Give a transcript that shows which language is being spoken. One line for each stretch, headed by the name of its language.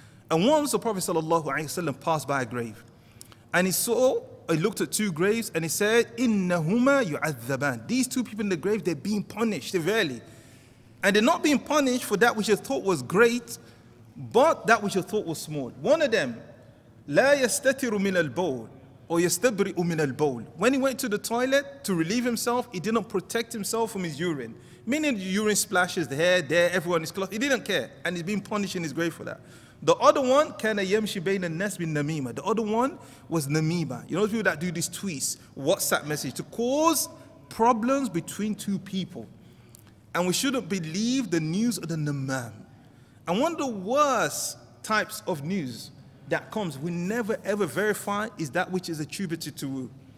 English: And once the Prophet sallallahu alaihi wasallam passed by a grave, and he looked at two graves, and he said,
Arabic: "Innahuma yu'adhaban."
English: These two people in the grave, they're being punished severely. And they're not being punished for that which they thought was great, but that which they thought was small. One of them,
Arabic: لا يستتر من البول or يستبرئ من البول.
English: When he went to the toilet to relieve himself, he did not protect himself from his urine. Meaning the urine splashes the hair, there, everyone is close. He didn't care. And he's being punished in his grave for that. The other one,
Arabic: كان يمشي بين الناس بالنميمة.
English: The other one was نميمة. You know, people that do these tweets, WhatsApp message, to cause problems between two people. And we shouldn't believe the news of the namam. And one of the worst types of news that comes, we never ever verify, is that which is attributed to who?